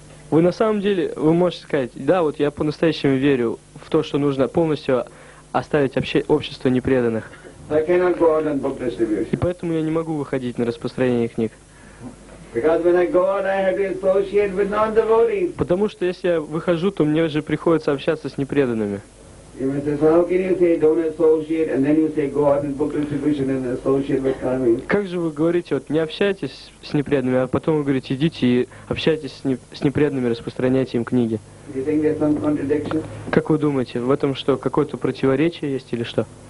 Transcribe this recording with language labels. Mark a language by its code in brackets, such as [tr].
[ru] Вы на самом деле, вы можете сказать, я по-настоящему верю в то, что нужно полностью оставить общество непреданных. [en] I cannot go out on book distribution. [ru] И поэтому я не могу выходить на распространение книг. [en] Because when I go out, I have to associate with non-devotees. [ru] Потому что если я выхожу, то мне же приходится общаться с непреданными. [en] You may say, so how can you say don't associate, and then you say go out and book distribution and associate with karmis? [ru] Как же вы говорите, вот не общайтесь с непреданными, а потом вы говорите идите и общайтесь с непреданными, распространяйте им книги? [en] Do you think there's some contradiction? [ru] Как вы думаете, в этом что, какое-то противоречие есть или что?